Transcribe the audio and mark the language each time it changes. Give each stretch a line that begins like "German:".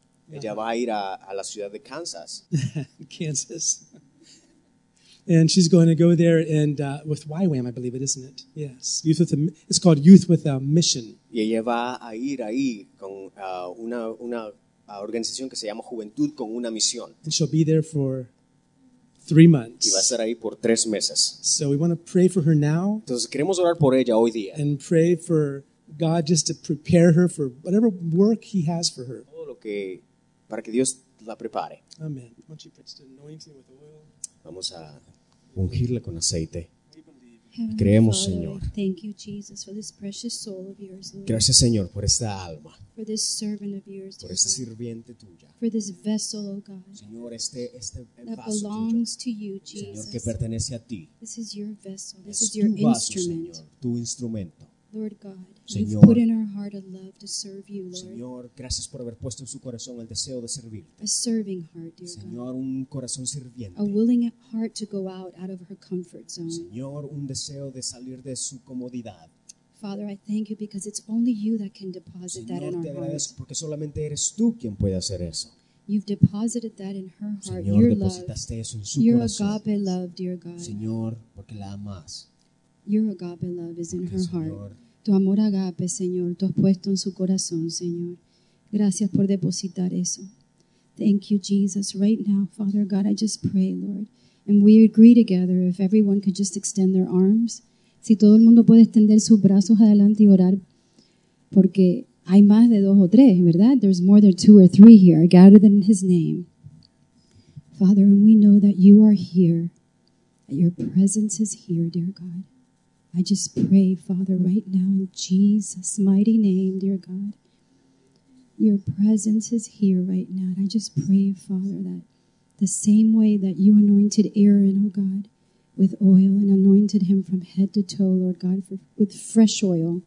Spanish: Ella va a ir a la ciudad de Kansas. Kansas.
English: And she's going to go there and with YWAM, I believe it, isn't it? Yes. It's called Youth with a Mission.
Spanish: Y ella va a ir ahí con una organización que se llama Juventud con una Misión.
English: And she'll be there for 3 months.
Spanish: Y va a estar ahí por 3 meses.
English: So we want to pray for her now.
Spanish: Entonces queremos orar por ella hoy día.
English: And pray for God just to prepare her for whatever work He has for her.
Spanish: Todo lo que, para que Dios la prepare.
English: Amen. Why don't you put the anointing with oil?
Spanish: Vamos a ungirla con aceite. Creemos, Señor.
English: Thank you, Jesus, for this precious soul of yours, Lord.
Spanish: Gracias, Señor, por esta alma.
English: For this servant of yours,
Spanish: por esta sirviente tuya.
English: For this vessel, oh God.
Spanish: Señor, este vaso
English: that belongs
Spanish: tuyo.
English: To you, Jesus.
Spanish: Señor, que pertenece a ti.
English: This is your vessel. This
Spanish: es
English: is your
Spanish: tu vaso,
English: instrument.
Spanish: Señor, tu instrumento.
English: Lord God,
Spanish: Señor,
English: you've put in our heart a love to serve you, Lord.
Spanish: Señor, gracias por haber puesto en su corazón el deseo de servirte.
English: A serving heart, dear
Spanish: Señor,
English: God.
Spanish: Un corazón sirviente.
English: A willing heart to go out of her comfort zone.
Spanish: Señor, un deseo de salir de su comodidad.
English: Father, I thank you because it's only you that can deposit
Spanish: Señor,
English: that in our heart.
Spanish: Señor, te agradezco porque solamente eres tú quien puede hacer eso.
English: You've deposited that in her heart,
Spanish: Señor,
English: your
Spanish: depositaste
English: love.
Spanish: Eso en su
English: your
Spanish: corazón.
English: Agape love, dear God.
Spanish: Señor, porque la amas.
English: Your agape love is in
Spanish: porque,
English: her
Spanish: Señor,
English: heart.
Spanish: Tu amor agape, Señor, tú has puesto en su corazón, Señor. Gracias por depositar eso.
English: Thank you, Jesus. Right now, Father God, I just pray, Lord. And we agree together if everyone could just extend their arms.
Spanish: Si todo el mundo puede extender sus brazos adelante y orar, porque hay más de dos o tres, ¿verdad?
English: There's more than two or three here gathered in His name. Father, and we know that you are here, that your presence is here, dear God. I just pray, Father, right now in Jesus' mighty name, dear God. Your presence is here right now. And I just pray, Father, that the same way that you anointed Aaron, oh God, with oil and anointed him from head to toe, Lord God, with fresh oil.